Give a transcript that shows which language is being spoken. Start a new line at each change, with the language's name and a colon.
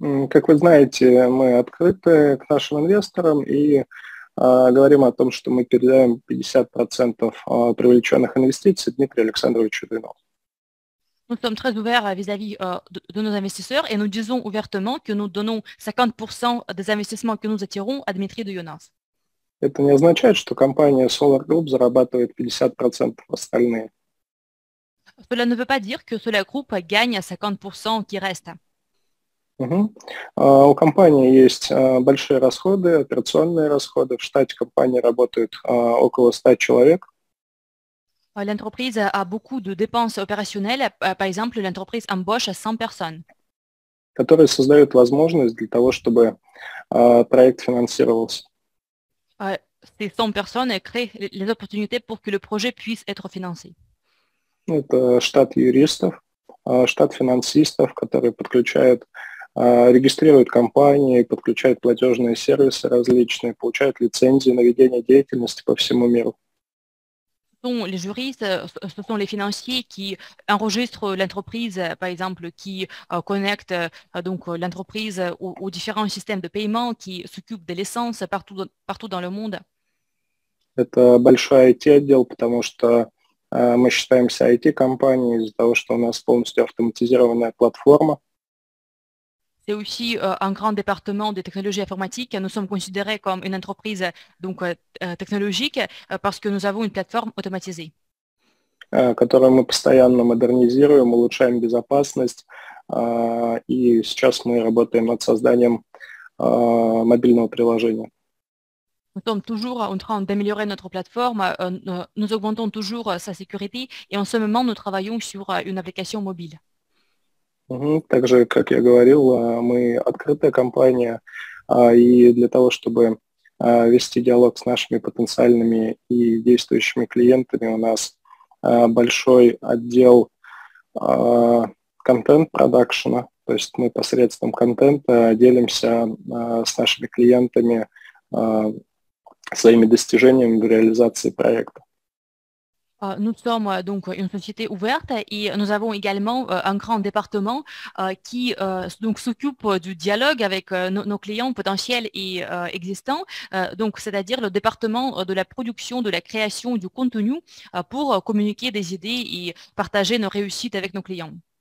Russian: Как вы знаете, мы открыты к нашим инвесторам и говорим о том, что мы передаем 50% привлеченных инвестиций Дмитрию Александровичу Дуйнову.
French: Nous sommes très ouverts vis-à-vis de nos investisseurs et nous disons ouvertement que nous donnons 50% des investissements que nous attirons à Дмитрию Дуйнову.
Russian: Это не означает, что компания Solar Group зарабатывает 50% остальные.
French: Cela ne veut pas dire que Solar Group gagne 50% qui reste.
Russian: У компании есть большие расходы, операционные расходы. В штате компании работают около 100 человек.
French: L'entreprise a beaucoup de dépenses opérationnelles. Par exemple, l'entreprise embauche 100 personnes.
Russian: Которые создают возможность для того, чтобы проект финансировался.
French: Ces 100 personnes créent les opportunités pour que le projet puisse être financé.
Russian: Это штат юристов, штат финансистов, которые подключают регистрируют компании, подключают платежные сервисы различные, получают лицензии на ведение деятельности по всему миру.
French: Sont les juristes, ce sont les financiers qui enregistrent l'entreprise, par exemple, qui connectent donc l'entreprise aux différents systèmes de paiement, qui s'occupent de l'essence partout dans le monde.
Russian: Это большой IT-отдел, потому что мы считаемся IT-компанией из-за того, что у нас полностью автоматизированная платформа.
French: C'est aussi un grand département de technologie informatique. Nous sommes considérés comme une entreprise donc technologique parce que nous avons une plateforme automatisée.
Russian: Которую мы постоянно модернизируем, улучшаем безопасность. И сейчас мы работаем над созданием мобильного приложения.
French: Nous sommes toujours en train d'améliorer notre plateforme. Nous augmentons toujours sa sécurité. Et en ce moment, nous travaillons sur une application mobile.
Russian: Также, как я говорил, мы открытая компания, и для того, чтобы вести диалог с нашими потенциальными и действующими клиентами, у нас большой отдел контент-продакшена, то есть мы посредством контента делимся с нашими клиентами своими достижениями в реализации проекта.
French: Nous sommes donc une société ouverte et nous avons également un grand département qui donc s'occupe du dialogue avec nos clients potentiels et existants, donc c'est-à-dire le département de la production, de la création du contenu pour communiquer des idées et partager nos réussites avec nos clients.